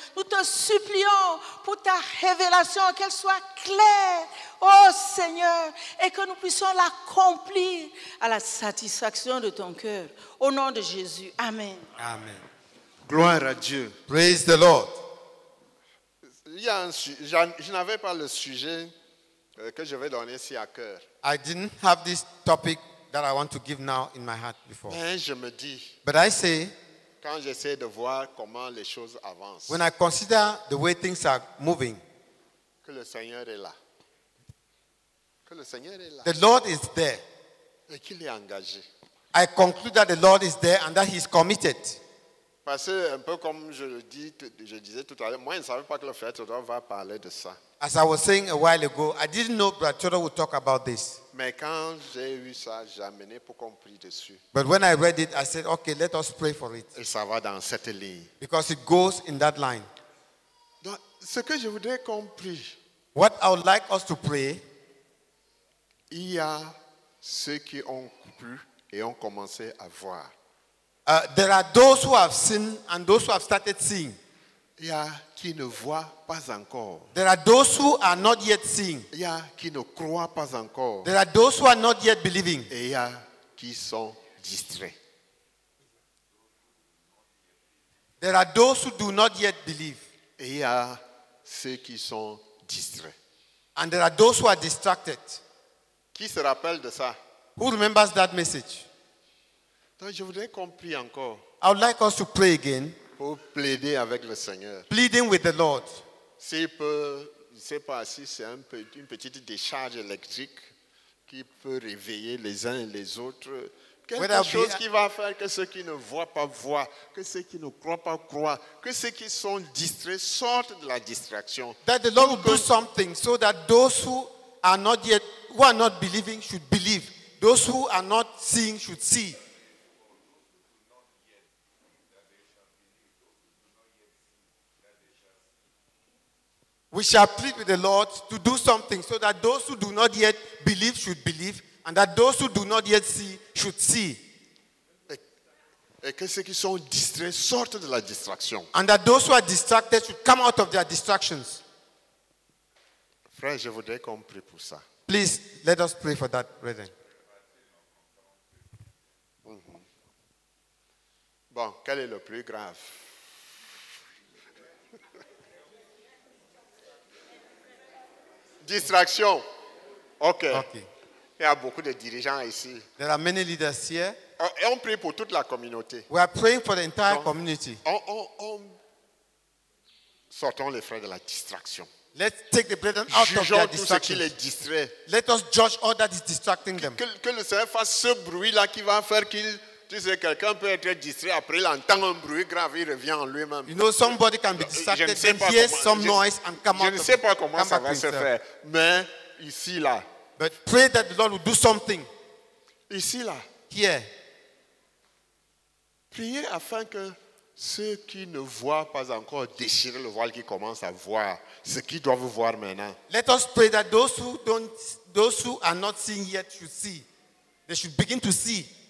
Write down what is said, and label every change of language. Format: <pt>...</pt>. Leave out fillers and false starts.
<fr>Nous te supplions pour ta révélation, qu'elle soit claire, ô Seigneur, et que nous puissions l'accomplir à la satisfaction de ton cœur. Au nom de Jésus, amen. Amen. Gloire à Dieu.</fr> <en>Praise the Lord.</en> <fr>Je n'avais pas le sujet que je vais donner ici à cœur.</fr> <en>I didn't have this topic that I want to give now in my heart before.</en> <fr>Mais je me dis.</fr> <en>But I say.</en> <fr>Quand j'essaie de voir comment les choses avancent.</fr> <en>When I consider the way things are moving.</en> <fr>Que le Seigneur est là. Que le Seigneur est là.</fr> <en>The Lord is there.</en> <fr>Et qu'il est engagé.</fr> <en>I conclude that the Lord is there and that he's committed.</en> <fr>Parce que un peu comme je disais tout à l'heure, moi je ne savais pas que le frère Théodore va parler de ça.</fr> <en>As I was saying a while ago, I didn't know Brother Théodore would talk about this.</en> <fr>Mais quand j'ai eu ça, j'ai amené pour qu'on prie dessus.</fr> <en>But when I read it, I said, okay, let us pray for it.</en> <fr>Et ça va dans cette ligne.</fr> <en>Because it goes in that line.</en> <fr>Donc, ce que je voudrais qu'on prie.</fr> <en>What I would like us to pray.</en> <fr>Il y a ceux qui ont cru et ont commencé à voir.</fr> <en>There are those who have seen and those who have started seeing.</en> <fr>Il y a qui ne voient pas encore.</fr> <en>There are those who are not yet seeing.</en> <fr>Il y a qui ne croient pas encore.</fr> <en>There are those who are not yet believing.</en> <fr>Et il y a qui sont distraits.</fr> <en>There are those who do not yet believe.</en> <fr>Et il y a ceux qui sont distraits.</fr> <en>And there are those who are distracted.</en> <fr>Qui se rappelle de ça?</fr> <en>Who remembers that message?</en> <fr>Donc je voudrais qu'on prie encore.</fr> <en>I would like us to pray again.</en> <fr>Pour plaider avec le Seigneur.</fr> <en>Pleading with the Lord.</en> <fr>S'il peut, je ne sais pas si c'est un peu, une petite décharge électrique qui peut réveiller les uns et les autres. Quelque chose qui va faire que ceux qui ne voient pas voient, que ceux qui ne croient pas croient, que ceux qui sont distraits sortent de la distraction.</fr> <en>That the Lord will do something so that those who are not yet, who are not believing should believe. Those who are not seeing should see. We shall plead with the Lord to do something so that those who do not yet believe should believe and that those who do not yet see should see.</en> <fr>Et que ceux qui sont distraits sortent de la distraction.</fr> <en>And that those who are distracted should come out of their distractions.</en> <fr>Frère, je voudrais qu'on prie pour ça.</fr> <en>Please, let us pray for that, brethren.</en> <fr>Mm-hmm. Bon, quel est le plus grave?</fr> <en>Distraction. Okay. OK.</en> <fr>Il y a beaucoup de dirigeants ici.</fr> <en>There are many leaders here.</en> <fr>Et on prie pour toute la communauté.</fr> <en>We are praying for the entire community.</en> <fr>Sortons les frères de la distraction.</fr> <en>Let's take the brethren out</en> <fr>Jugeons</fr> <en>of their distraction.</en> <fr>Jugeons tout ce qui les distrait.</fr> <en>Let us judge all that is distracting them.</en> <fr>Que le Seigneur fasse ce bruit-là qui va faire qu'il... Tu sais, quelqu'un peut être distrait, après il entend un bruit grave, il revient en lui-même.</fr> <en>You know, somebody can be distracted, and hear some noise and come out.</en> <fr>Je ne sais pas comment ça va se faire, mais ici là.</fr> <en>But pray that the Lord will do something.</en> <fr>Ici là.</fr> <en>Here.</en> <fr>Priez afin que ceux qui ne voient pas encore déchirent le voile qui commence à voir, ce qu'ils doivent voir maintenant.</fr> <en>Let us pray that those who are not seeing yet should see. They should begin to see.</en>